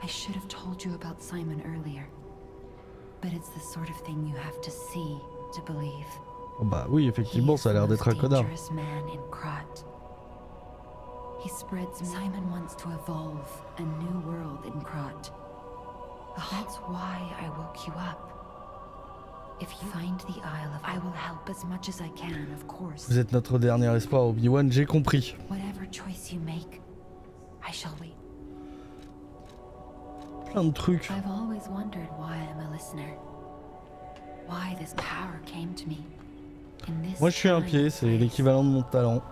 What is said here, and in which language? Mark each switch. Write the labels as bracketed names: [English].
[English] I should have told you about Simon earlier. But it's the sort of thing you have to see to believe. [French] Oh bah oui, effectivement, ça a l'air d'être un connard. [English] Dangerous man in Krat. He spreads. Simon wants to evolve a new world in Krat. That's why I woke you up. If you find the Isle of, I will help as much as I can, of course. [French] Vous êtes notre dernier espoir, Obi-Wan, j'ai compris. [English] Whatever choice you make, I shall wait. [French] Plein de trucs. [English] I've always wondered why I'm a listener. Why this power came to me. [French] Moi je suis un pied, c'est l'équivalent de mon talent.